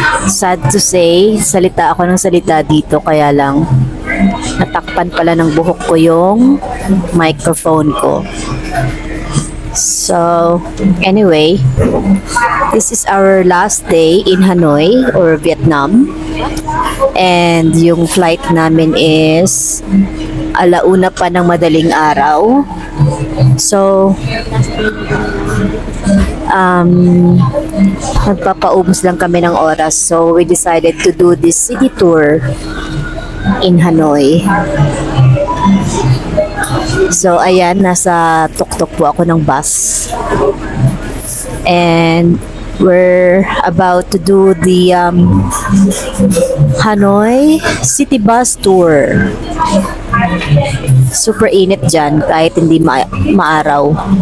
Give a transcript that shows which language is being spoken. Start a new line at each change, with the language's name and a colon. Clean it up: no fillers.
English: Sad to say,
Filipino: salita ako ng salita dito, kaya lang natakpan pala ng buhok ko yung microphone ko.
English: So, anyway, this is our last day in Hanoi or Vietnam.
Filipino: And yung flight namin is alauna pa ng madaling araw. So, nagpapaubos lang kami ng oras.
English: So, we decided to do this city tour in Hanoi.
Filipino: So, ayan, nasa tuktok po ako ng bus.
English: And we're about to do the Hanoi City Bus Tour.
Filipino: Super init dyan, kahit hindi maaraw.